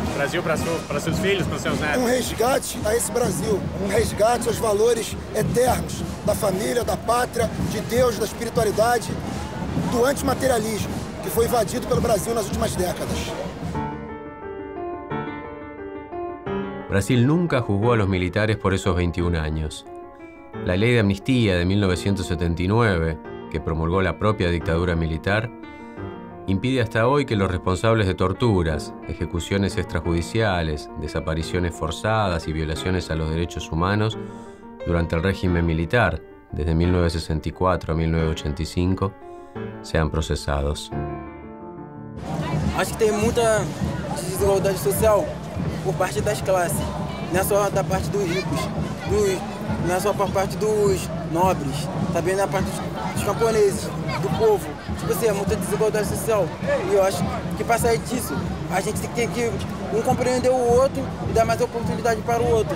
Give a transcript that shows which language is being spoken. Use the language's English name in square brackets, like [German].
[Portuguese] Brasil para seus filhos, para seus netos. Um resgate a esse Brasil, um resgate aos valores eternos da família, da pátria, de Deus, da espiritualidade, do antimaterialismo que foi invadido pelo Brasil nas últimas décadas. [Spanish] Brasil nunca juzgó a los militares por esos 21 años. La ley de amnistía de 1979, que promulgó la propia dictadura militar, impide hasta hoy que los responsables de torturas, ejecuciones extrajudiciales, desapariciones forzadas y violaciones a los derechos humanos durante el régimen militar, desde 1964 a 1985, sean procesados. [Portuguese] Acho que tem muita desigualdade social por parte das classes, não é só da parte dos ricos, não é só por parte dos nobres, também na parte dos camponeses, do povo. Tipo assim, é muita desigualdade social. E eu acho que para sair disso, a gente tem que um compreender o outro e dar mais oportunidade para o outro.